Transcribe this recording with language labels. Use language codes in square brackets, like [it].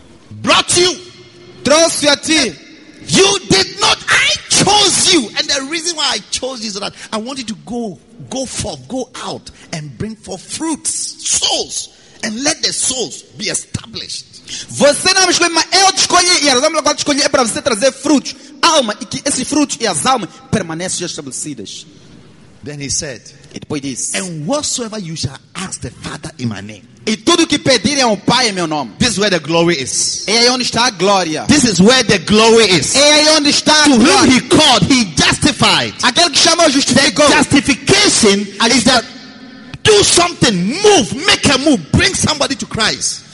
[en] Brought you. [pt] Trouxe a ti. [en] You did not. I chose you. And the reason why I chose you is that I wanted to go forth, go out and bring forth fruits, souls, and let the souls be established. [pt] Você não me escolheu, mas eu te escolhi. E a razão pela qual te escolhi é para você trazer frutos, alma, e que esses frutos e as almas permaneçam estabelecidas. [en] Then he said, [pt] e depois disse, [en] and whatsoever you shall ask the Father in my name. [pt] E tudo que pedirem ao Pai em meu nome. [en] This is where the glory is. [pt] É aí onde está a glória. [en] This is where the glory is. [pt] É aí onde está [en] to Whom he called, he justified. [pt] Aquele que chamou justificou. [en] Justification is that do something, move, make a move, bring somebody to Christ.